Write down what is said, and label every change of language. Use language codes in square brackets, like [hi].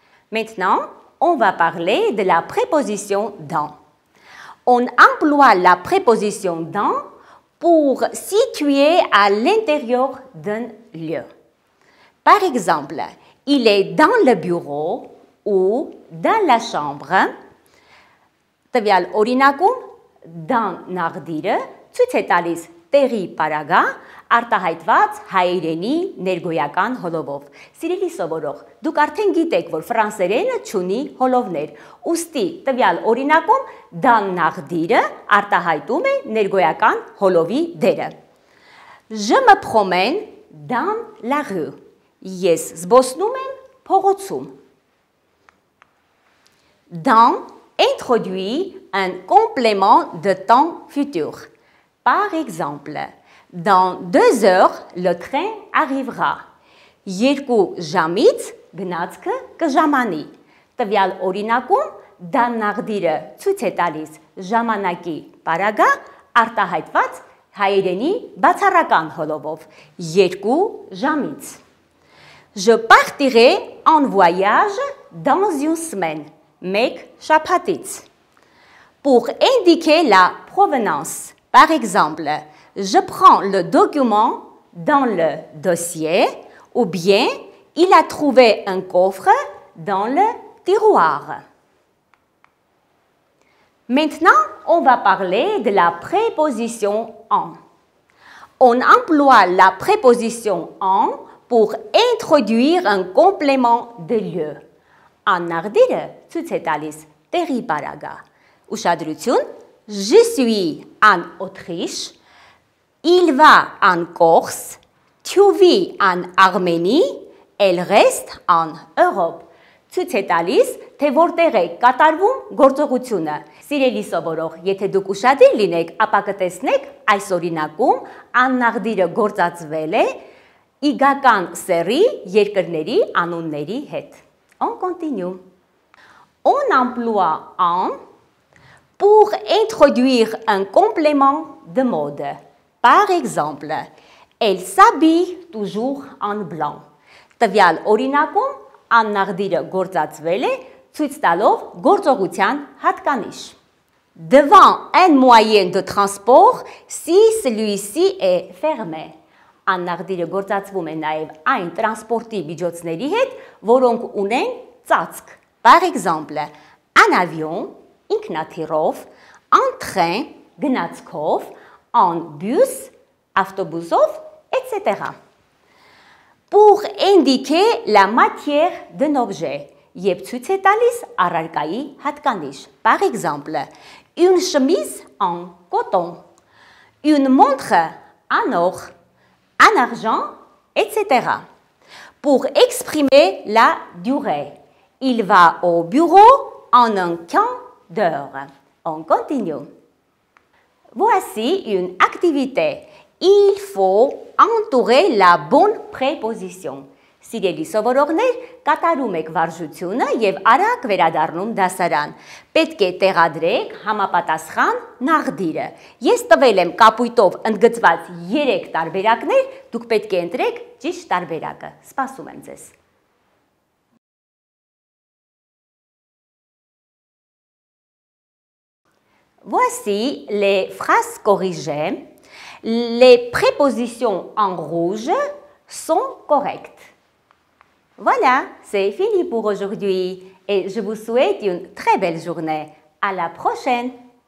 [fr] Maintenant, on va parler de la préposition dans. On emploie la préposition dans pour situer à l'intérieur d'un lieu. Par exemple, il est dans le bureau ou dans la chambre. [hy] Տվյալ օրինակում «դան» նախդիրը ցույց է տալիս տեղի պարագա արտահայտված հայերենի ներգոյական հոլովով։ Սիրելի սովորող, դուք արդեն գիտեք, որ ֆրանսերենը չունի հոլովներ։ Ուստի, տվյալ օրինակում «դան» նախդիրը արտահայտում է ներգոյական հոլովի դերը։ [fr] «Je me promène dans la rue». [hy] Ես զբոսնում եմ փողոցում։ [fr] «Դան» introduit un complément de temps futur. Par exemple, dans 2 heures, le train arrivera. [hy] Երկու ժամից գնացքը կժամանի. Տվյալ օրինակում «դան» նախդիրը ցույց է տալիս ժամանակի պարագա արտահայտված հայերենի բացառական հոլովով. Երկու ժամից. [fr] Je partirai en voyage dans une semaine. [hy] Մեկ շաբաթից. [fr] Pour indiquer la provenance. Par exemple, je prends le document dans le dossier ou bien il a trouvé un coffre dans le tiroir. Maintenant, on va parler de la préposition en. On emploie la préposition en pour introduire un complément de lieu. [hy] En nardire, ցույց է տալիս տեղի պարագա։ Ուշադրություն, [fr] «Je suis en Autriche», «Il va en Corse», «Tu vis en Arménie», «Elle reste en Europe». [hy] Ցույց է տալիս, թե որտեղ է կատարվում գործողությունը։ Սիրելի սովորող, եթե դուք ուշադիր լինեք, ապա կտեսնեք, այս օրինակում աննախդիրը գործածվել է իգական սեռի երկրների անունների հետ։ [fr] On continue. On emploie «en» pour introduire un complément de mode. Par exemple, elle s'habille toujours en blanc. [hy] Տվյալ օրինակում աննախդիրը գործածվել է ցույց տալով գործողության հատկանիշ. [fr] Devant un moyen de transport, si celui-ci est fermé. [hy] Աննախդիրը գործածվում է նաև այն տրանսպորտի միջոցների հետ, որոնք ունեն ծածկ. [fr] Par exemple, un avion, [hy] ինքնաթիռով, [fr] un train, [hy] գնացքով, [fr] un bus, [hy] autobusov, [fr] etc. Pour indiquer la matière d'un objet, [hy] եթե ցույց է տալիս առարկայի հատկանիշ. [fr] Par exemple, une chemise en coton, une montre en or, en argent, etc. Pour exprimer la durée, il va au bureau en un quart d'heure. On continue. Voici une activité. Il faut entourer la bonne préposition. [hy] Սիրելի սովորողներ, կատարում եք վարժությունը և առակ վերադառնում դասարան։ Պետք է տեղադրեք համապատասխան նախդիրը։ Ես տվել եմ կապույտով ընդգծված 3 տարբերակներ, դուք պետք է ընտրեք ճիշտ տարբերակը։ Սպասում եմ ձեզ։ [fr] Voici les phrases corrigées. Les prépositions en rouge sont correctes. Voilà, c'est fini pour aujourd'hui et je vous souhaite une très belle journée. À la prochaine!